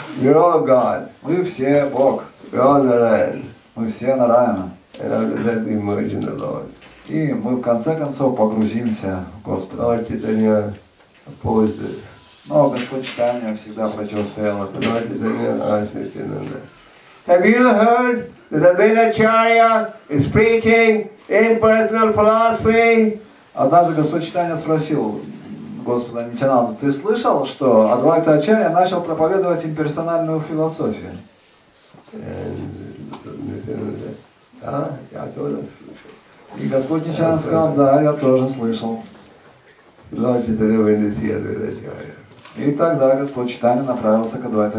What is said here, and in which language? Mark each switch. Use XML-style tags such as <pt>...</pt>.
<en>You're all God.</en> <ru>Вы все Бог.</ru> <en>We're all Narayan.</en> <ru>Мы все Нараяна.</ru> <en>And let me merge in the Lord.</en> <ru>И мы в конце концов погрузимся в Господа. Но Господь Чайтанья всегда противостоял.</ru> <en>Have you heard that Advaita Acharya is preaching impersonal philosophy?</en> <ru>Однажды Господь Чайтанья спросил Господа Нитянанду, ты слышал, что Адвайта Ачарья начал проповедовать имперсональную философию? Я тоже слышал. И Господь Нитянанда сказал, да, я тоже слышал. И тогда Господь Чайтанья направился к Адвайта</ru>